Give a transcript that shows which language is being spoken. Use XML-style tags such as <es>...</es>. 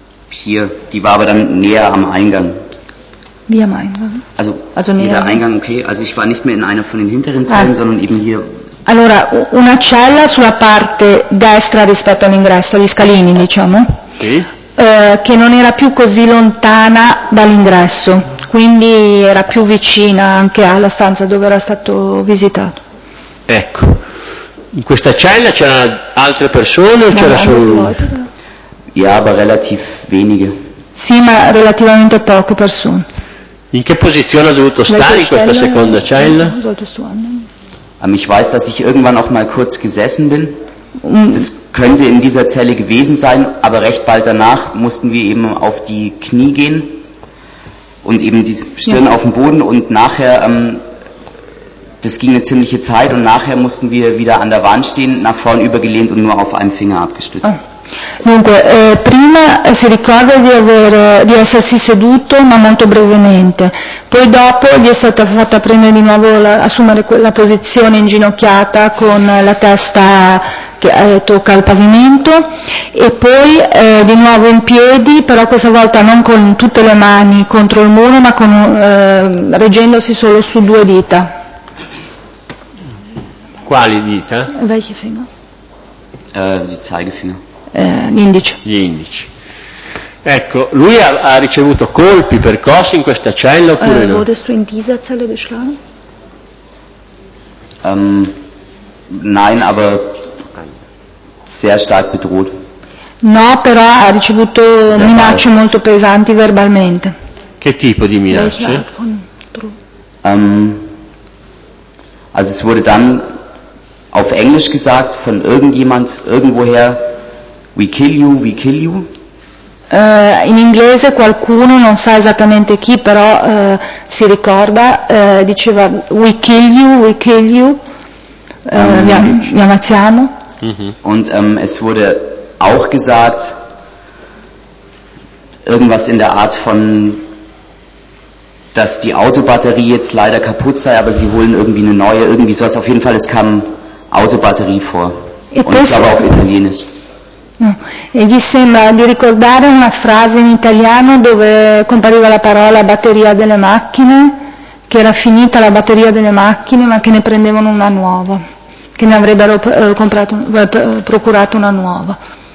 <de>Hier, die war aber dann näher am Eingang. Wie am Eingang? Also näher. Der Eingang, okay. Also ich war nicht mehr in einer von den hinteren Zellen, sondern eben hier.</de> <it>Allora, una cella sulla parte destra rispetto all'ingresso, gli scalini, diciamo. Sì. Che non era più così lontana dall'ingresso, quindi era più vicina anche alla stanza dove era stato visitato. Ecco, in questa cella c'erano altre persone o ma c'era solo lui?</it> <de>Ja, aber relativ wenige.</de> <it>Sì, ma relativamente poche persone. In che posizione ha dovuto stare in questa seconda cella?</it> <de>Ich weiß, dass ich irgendwann auch mal kurz gesessen bin. Das könnte in dieser Zelle gewesen sein, aber recht bald danach mussten wir eben auf die Knie gehen und eben die Stirn auf den Boden und nachher, das ging eine ziemliche Zeit und nachher mussten wir wieder an der Wand stehen, nach vorn übergelehnt und nur auf einem Finger abgestützt.</de> <it>Dunque, prima si ricorda di essersi seduto, ma molto brevemente. Poi dopo gli è stata fatta prendere di nuovo, assumere quella posizione inginocchiata con la testa che tocca il pavimento e poi di nuovo in piedi, però questa volta non con tutte le mani contro il muro, ma con, reggendosi solo su due dita. Quali dita?</it> <de>Welche Finger? Die Zeigefinger.</de> <it>Gli indici. Ecco, lui ha ricevuto colpi percossi in questa cella oppure no?</it> <de>Wurdest du in dieser Zelle geschlagen? Nein, aber sehr stark bedroht.</de> <it>No, però ha ricevuto minacce molto pesanti verbalmente. Che tipo di minacce?</it> <de>Also es wurde dann auf Englisch gesagt von irgendjemand irgendwoher.</de> <en>We kill you, we kill you.</en> <it>In inglese qualcuno, non sa esattamente chi, però si ricorda, diceva</it> <en>we kill you, we kill you,</en> <it>vi ammazziamo. Mm-hmm.</it> <de>Und es wurde auch gesagt, irgendwas in der Art von, dass die Autobatterie jetzt leider kaputt sei, aber sie holen irgendwie eine neue, irgendwie sowas. Auf jeden Fall, es kam Autobatterie vor. Und ich glaube auch Italienisch.</de> <it>E gli sembra di ricordare una frase in italiano dove compariva la parola batteria delle macchine, che era finita la batteria delle macchine ma che ne prendevano una nuova, che ne avrebbero procurato una nuova.</it>